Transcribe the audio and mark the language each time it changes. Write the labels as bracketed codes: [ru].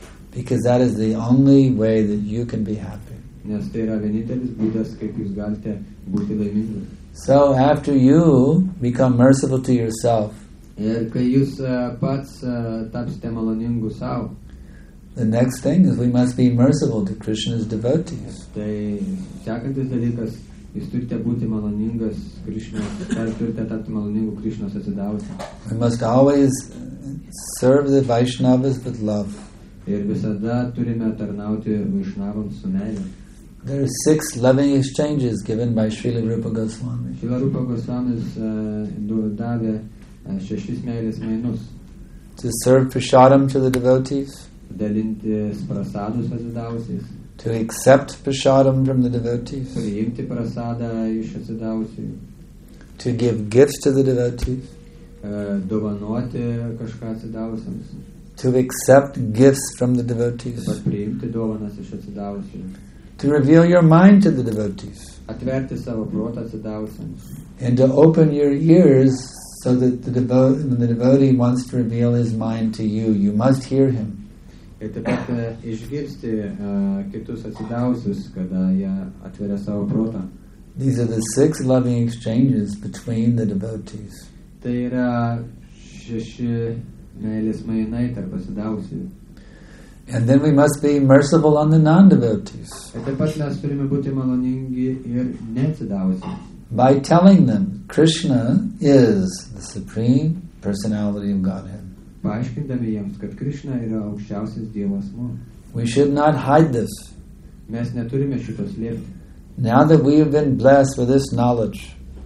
[en] Because that is the only way that you can be happy. [lt] Nes tai yra vienintelis būdas, kaip jūs galite būti laimingi. [en] So after you become merciful to yourself, [lt] ir kai jūs pats tapsite maloningu sau, [en] the next thing is we must be merciful to Krishna's devotees. [lt] Tai sekantis dalykas, jūs turite būti maloningas Krishna's, turite tapti maloningu Krishna's atsidavusi. [en] We must always serve the Vaishnavas with love. [lt] Ir visada turime tarnauti Vaishnavams su meile. [en] There are 6 loving exchanges given by Srila Rupa Goswami. [lt] Srila Rupa Goswami davė 6 meilės mainus. [en] To serve prasadam to the devotees. [lt] Dalintis prasadus atsidavusiais. [en] To accept prasadam from the devotees. [lt] Priimti prasadą iš atsidavusiais. [en] To give gifts to the devotees. [lt] Dovanoti kažką atsidavusiams. [en] To accept gifts from the devotees. [lt] Taip pat priimti dovanas iš atsidavusiais. [en] To reveal your mind to the devotees. [lt] Atverti savo protą atsidavusiems. [en] And to open your ears so that when the devotee wants to reveal his mind to you, you must hear him. [lt] Ir taip pat išgirsti kitus atsidavusius, kada jie atveria savo protą. [en] These are the 6 loving exchanges between the devotees. [lt] Tai yra 6 meilės mainai tarp atsidavusių. [en] And then we must be merciful on the non-devotees. [lt] Ir taip pat mes turime būti maloningi ir neatsidavusiai. [en] By telling them, Krishna is the Supreme Personality of Godhead. [lt] Paaiškindami jiems, kad Krishna yra aukščiausias Dievo asmuo. [en] We should not hide this. [lt] Mes neturime šito slėpti. [en] Now that we have been blessed with this knowledge,